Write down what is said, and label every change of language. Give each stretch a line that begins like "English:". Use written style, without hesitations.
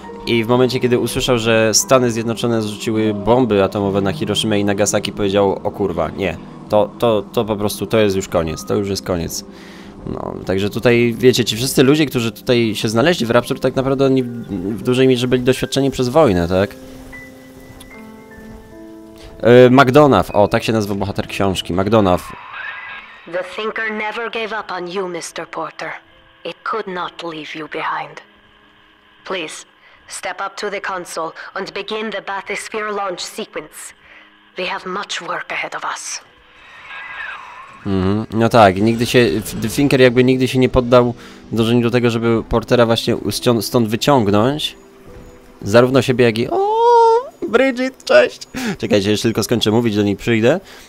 Polish: I w momencie, kiedy usłyszał, że Stany Zjednoczone zrzuciły bomby atomowe na Hiroshimę i Nagasaki, powiedział: o kurwa, nie, to po prostu, to jest już koniec, to już jest koniec. No, także tutaj, wiecie, ci wszyscy ludzie, którzy tutaj się znaleźli w Rapture, tak naprawdę oni w dużej mierze byli doświadczeni przez wojnę, tak? McDonough, o, tak się nazywa bohater książki, McDonough.
English: The Thinker never gave up on you, Mr. Porter. It could not leave you behind. Please. Step up to the console and begin the bathysphere launch sequence. We have much work ahead of us.
Polish: No tak, nigdy się, The Thinker jakby nigdy się nie poddał dążeniu do tego, żeby Portera właśnie stąd wyciągnąć. Zarówno siebie, jak i... O, Bridget, cześć! Czekajcie, jeszcze tylko skończę mówić, do niej przyjdę.